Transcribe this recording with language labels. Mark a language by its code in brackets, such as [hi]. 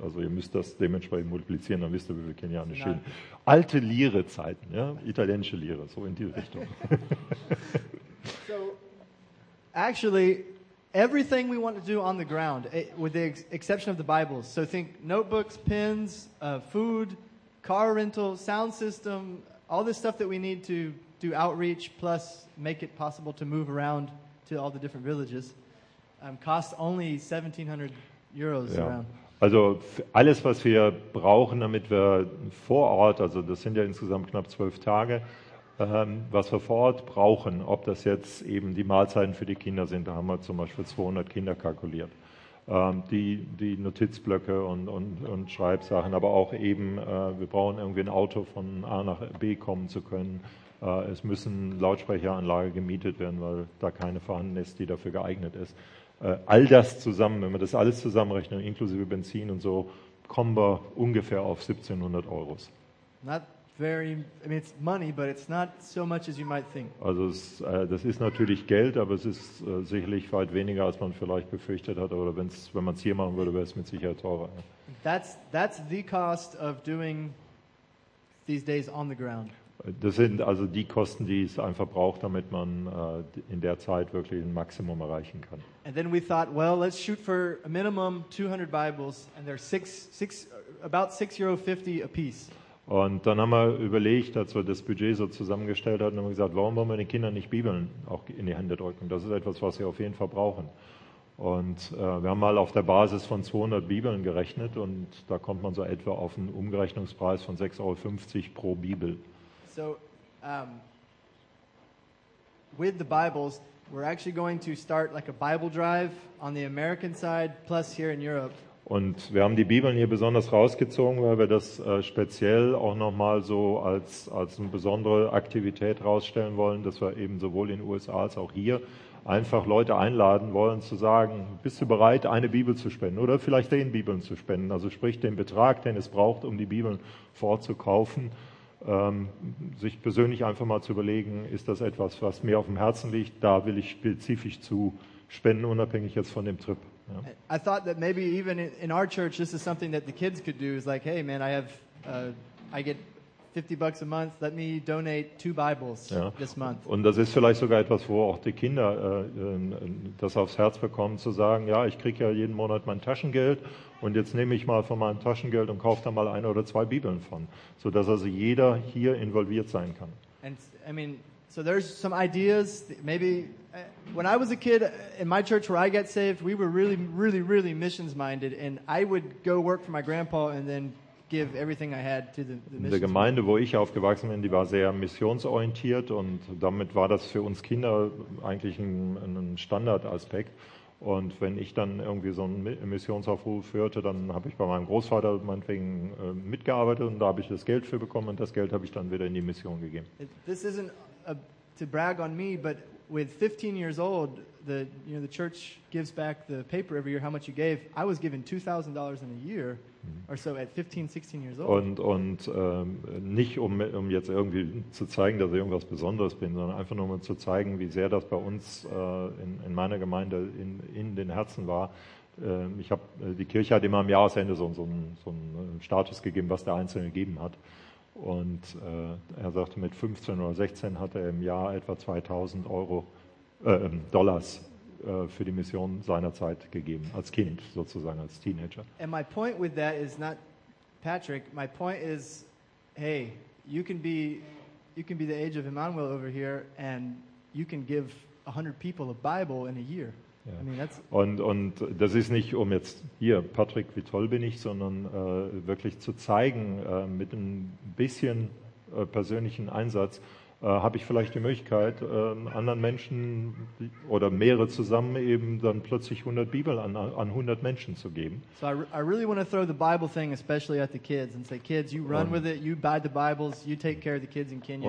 [de] Also ihr müsst das dementsprechend multiplizieren, dann wisst ihr, wie viel kenianische Schillinge. Alte Lire-Zeiten, ja? Italienische Lire, so in die Richtung. [en] So, actually, everything we want to do on the ground, with the exception of the Bibles, so think notebooks, pens, food, car rental, sound system, all this stuff that we need to do outreach, plus make it possible to move around to all the different villages. Cost only 1700 euros. [de] Ja. Also alles, was wir brauchen, damit wir vor Ort, also das sind ja insgesamt knapp 12 Tage, was wir vor Ort brauchen, ob das jetzt eben die Mahlzeiten für die Kinder sind, da haben wir zum Beispiel 200 Kinder kalkuliert, die Notizblöcke und Schreibsachen, aber auch eben, wir brauchen irgendwie ein Auto von A nach B kommen zu können. Es müssen Lautsprecheranlagen gemietet werden, weil da keine vorhanden ist, die dafür geeignet ist. All das zusammen, wenn wir das alles zusammenrechnen, inklusive Benzin und so, kommen wir ungefähr auf 1700 Euro. [en] It's money, but it's not so much as you might think. [de] Also das ist natürlich Geld, aber es ist sicherlich weit weniger, als man vielleicht befürchtet hat. Oder wenn man es hier machen würde, wäre es mit Sicherheit teurer. [en] That's the cost of doing these days on the ground. [de] Das sind also die Kosten, die es einfach braucht, damit man in der Zeit wirklich ein Maximum erreichen kann. [en] And then we thought, well, let's shoot for a minimum 200 Bibles, and they're about 6,50 Euro a piece. [de] Und dann haben wir überlegt, als wir das Budget so zusammengestellt hatten, haben wir gesagt, warum wollen wir den Kindern nicht Bibeln auch in die Hände drücken? Das ist etwas, was sie auf jeden Fall brauchen. Und wir haben mal auf der Basis von 200 Bibeln gerechnet, und da kommt man so etwa auf einen Umrechnungspreis von 6,50 Euro pro Bibel. [en] So with the Bibles, we're actually going to start like a Bible drive on the American side, plus here in Europe. [de] Und wir haben die Bibeln hier besonders rausgezogen, weil wir das speziell auch nochmal so als eine besondere Aktivität rausstellen wollen, dass wir eben sowohl in den USA als auch hier einfach Leute einladen wollen, zu sagen, bist du bereit, eine Bibel zu spenden oder vielleicht den Bibeln zu spenden, also sprich den Betrag, den es braucht, um die Bibeln vorzukaufen. Sich persönlich einfach mal zu überlegen, ist das etwas, was mir auf dem Herzen liegt, da will ich spezifisch zu spenden, unabhängig jetzt von dem Trip. Ja. [en] I thought that maybe even in our church this is something that the kids could do, is like, hey man, I have I get 50 bucks a month, let me donate 2 Bibles, ja, this month. [de] Und das ist vielleicht sogar etwas, wo auch die Kinder das aufs Herz bekommen, zu sagen, ja, ich kriege ja jeden Monat mein Taschengeld und jetzt nehme ich mal von meinem Taschengeld und kaufe da mal 1 oder 2 Bibeln von, sodass also jeder hier involviert sein kann. [en] And I mean, so there's some ideas, maybe when I was a kid in my church where I got saved, we were really, really, really missions minded and I would go work for my grandpa and then give everything I had to the [de] in der Gemeinde, wo ich aufgewachsen bin, die war sehr missionsorientiert und damit war das für uns Kinder eigentlich ein Standardaspekt. Und wenn ich dann irgendwie so einen Missionsaufruf hörte, dann habe ich bei meinem Großvater meinetwegen mitgearbeitet und da habe ich das Geld für bekommen und das Geld habe ich dann wieder in die Mission gegeben. [en] This isn't to brag on me, but with 15 years old, the you know the church gives back the paper every year how much you gave. I was given $2,000 in a year or so at 15, 16 years old. [de] Und nicht um jetzt irgendwie zu zeigen, dass ich irgendwas Besonderes bin, sondern einfach nur um zu zeigen, wie sehr das bei uns in meiner Gemeinde in den Herzen war. Die Kirche hat immer am Jahresende so einen Status gegeben, was der Einzelne gegeben hat. Und er sagte, mit 15 oder 16 hat er im Jahr etwa 2.000 Dollars für die Mission seiner Zeit gegeben, als Kind sozusagen, als Teenager. [en] And my point with that is not Patrick. My point is, hey, you can be the age of Emmanuel over here, and you can give 100 people a Bible in a year. [de] Ja. [en] I mean, that's... [de] Und das ist nicht, um jetzt hier, Patrick, wie toll bin ich, sondern wirklich zu zeigen, mit ein bisschen persönlichen Einsatz habe ich vielleicht die Möglichkeit, anderen Menschen oder mehrere zusammen eben dann plötzlich 100 Bibel an 100 Menschen zu geben. [en] So I really want to throw the Bible thing especially at the kids and say, kids, you run with it, you buy the Bibles, you take care of the kids in Kenya.